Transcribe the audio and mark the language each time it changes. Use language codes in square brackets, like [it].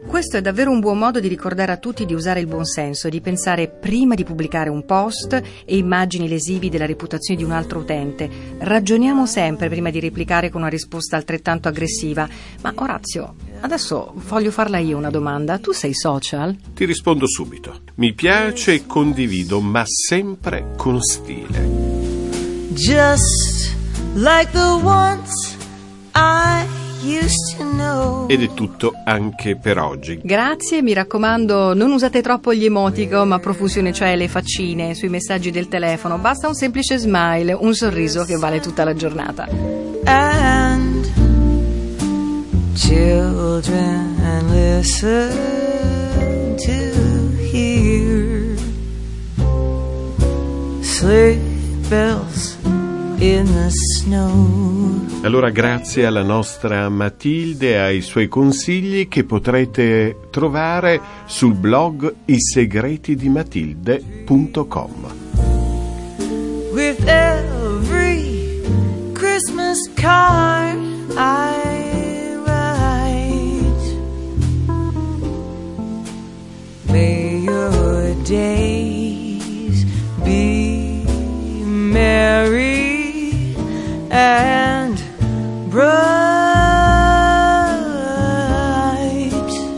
[it] Questo è davvero un buon modo di ricordare a tutti di usare il buon senso, di pensare prima di pubblicare un post e immagini lesivi della reputazione di un altro utente. Ragioniamo sempre prima di replicare con una risposta altrettanto aggressiva. Ma Orazio, adesso voglio farla io una domanda. Tu sei social? Ti rispondo subito. Mi piace e condivido, ma sempre con stile. [en] Just like the ones I used to know. [it] Ed è tutto anche per oggi. Grazie, mi raccomando, non usate troppo gli emoticon, ma profusione, cioè le faccine sui messaggi del telefono. Basta un semplice smile, un sorriso che vale tutta la giornata. [en] And children, listen to hear sleigh bells in the snow. [it] Allora, grazie alla nostra Matilde e ai suoi consigli, che potrete trovare sul blog isegretidimatilde.com. [en] With every Christmas card I write, may your days be merry and bright,